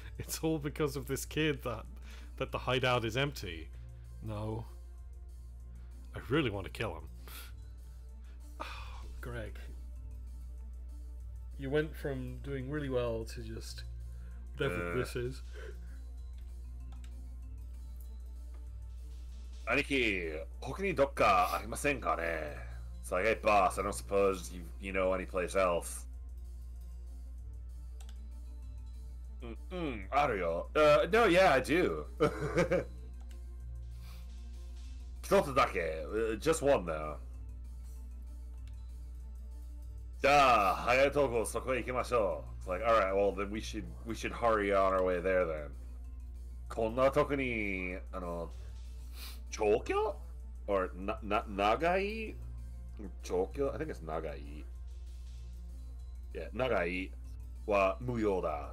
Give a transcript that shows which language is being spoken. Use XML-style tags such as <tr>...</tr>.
<en>It's all because of this kid that the hideout is empty. No. I really want to kill him. Oh, Greg. You went from doing really well to just whatever this is.</en> <ja>兄貴、ここにどっかありませんかね?</ja> <en>It's like, hey boss, I don't suppose you know any place else.</en> <ja>あるよ。</ja> <en>No, yeah, I do.</en> <ja>一つだけ。</ja> <en>Just one, though.</en> <ja>じゃあ、早いとこそこへ行きましょう。</ja> <en>It's like, alright, well, then we should hurry on our way there, then.</en> <ja>こんなとこに、あの、Chokyo?</ja> <en>Or Nagai? Chokyo? I think it's Nagai. Yeah,</en> <ja>Nagai wa muyō da.</ja>